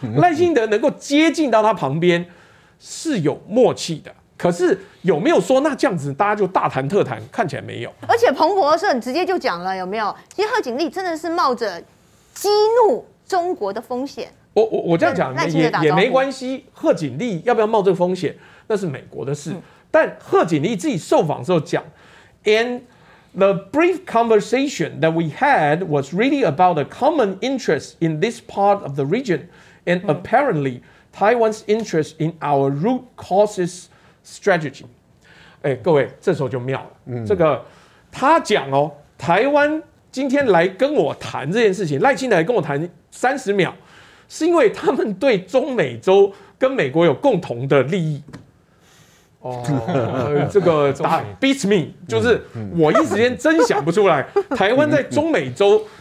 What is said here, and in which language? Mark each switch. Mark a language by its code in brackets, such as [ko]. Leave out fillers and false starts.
[zh] 赖清德能够接近到他旁边是有默契的，可是有没有说那这样子大家就大谈特谈？看起来没有。而且彭博社直接就讲了，有没有？其实贺锦丽真的是冒着激怒中国的风险。我这样讲也没关系。贺锦丽要不要冒这个风险，那是美国的事。但贺锦丽自己受访时候讲 [en] The brief conversation that we had was really about a common interest in this part of the region, and apparently Taiwan's interest in our root causes strategy. [zh] 哎，各位，这时候就妙了。这个他讲哦，台湾今天来跟我谈这件事情，赖清德来跟我谈三十秒，是因为他们对中美洲跟美国有共同的利益。哦，这个打 [en] beat me， [zh] 就是我一时间真想不出来，台湾在中美洲